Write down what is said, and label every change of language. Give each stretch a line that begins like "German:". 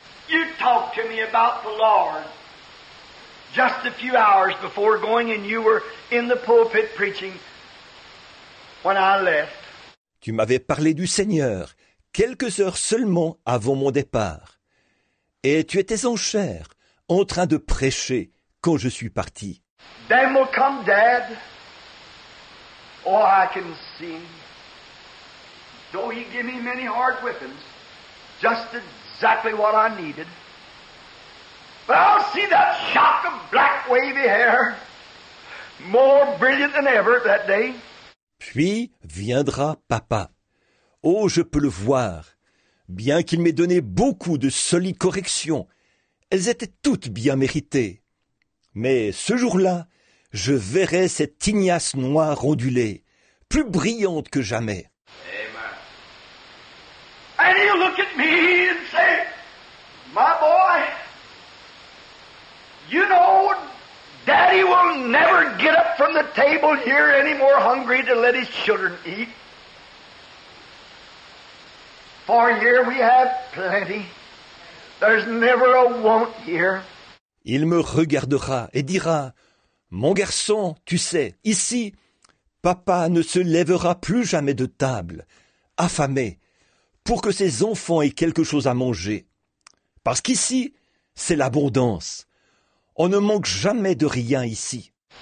English: You talked to me about the Lord just a few hours before going, and you were in the pulpit preaching when I left.
French: Tu m'avais parlé du Seigneur quelques heures seulement avant mon départ. Et tu étais en chair, en train de prêcher, quand je suis parti.
English: Then will come Dad, Oh, I can see him. Though he give me many hard whippings, just exactly what I needed. But I'll see that shock of black wavy hair, more brilliant than ever that day.
French: Puis viendra papa. Oh, je peux le voir. Bien qu'il m'ait donné beaucoup de solides corrections, elles étaient toutes bien méritées. Mais ce jour-là, je verrai cette ignace noire ondulée, plus brillante que jamais.
English: Amen. And he'll look at me and say, my boy, you know, daddy will never get up from the table here any more hungry to let his children eat. For here we have plenty. There's never a want here.
French: Il me regardera et dira, mon garçon, tu sais, ici, papa ne se lèvera plus jamais de table, affamé, pour que ses enfants aient quelque chose à manger. Parce qu'ici, c'est l'abondance. On ne manque jamais de rien ici.